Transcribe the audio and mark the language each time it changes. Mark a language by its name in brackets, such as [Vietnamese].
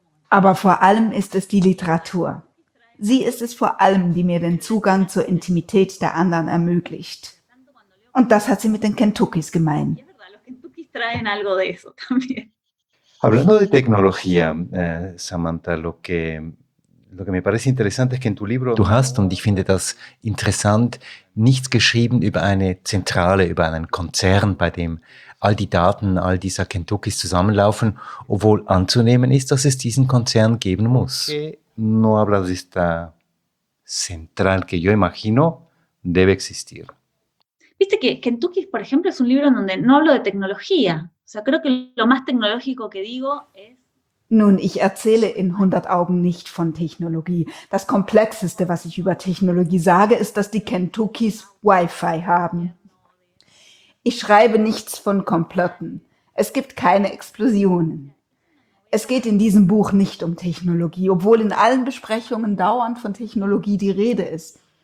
[German] Aber vor allem ist es die Literatur. Sie ist es vor allem, die mir den Zugang zur Intimität der anderen ermöglicht. Und das hat sie mit den Kentuckys gemein. [Spanish] Traen algo de eso también. Hablando de tecnología, Samantha, lo que me parece interesante es que en tu libro... [German] Du hast, und ich finde das interessant, nichts geschrieben über eine Zentrale, über einen Konzern, bei dem all die Daten, all dieser Kentuckys zusammenlaufen, obwohl anzunehmen ist, dass es diesen Konzern geben muss. [Spanish] No hablas de esta central que yo imagino debe existir. Viste que Kentuckys, por ejemplo, es un libro en donde no hablo de tecnología. O sea, creo que lo más tecnológico que digo es... [German] Nun, ich erzähle in 100 Augen nicht von Technologie. Das Komplexeste, was ich über Technologie sage, ist, dass die Kentuckys Wi-Fi haben. Ich schreibe nichts von Komplotten. Es gibt keine Explosionen. Es geht in diesem Buch nicht um Technologie, obwohl in allen Besprechungen dauernd von Technologie die Rede ist.